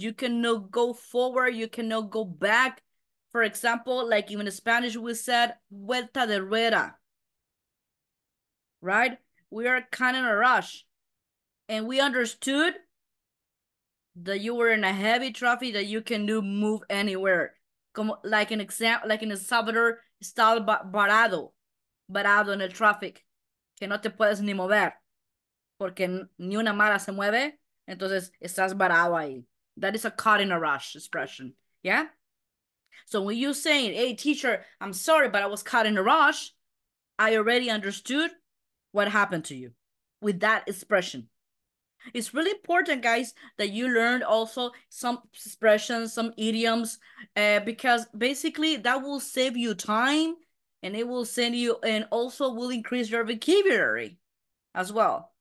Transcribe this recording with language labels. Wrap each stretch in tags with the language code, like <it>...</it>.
<en>You cannot go forward. You cannot go back. For example, like even in Spanish, we said,</en> <es>vuelta de rueda.</es> <en>Right? We are kind of in a rush. And we understood that you were in a heavy traffic that you can do move anywhere. Like an example, like in El Salvador, style</en> <es>barado, barado en el traffic, que no te puedes ni mover, porque ni una mala se mueve, entonces estás barado ahí.</es> <en>That is a caught in a rush expression, yeah? So when you're saying, hey, teacher, I'm sorry, but I was caught in a rush, I already understood what happened to you with that expression. It's really important, guys, that you learn also some expressions, some idioms, because basically that will save you time and it will send you, and also will increase your vocabulary as well.</en>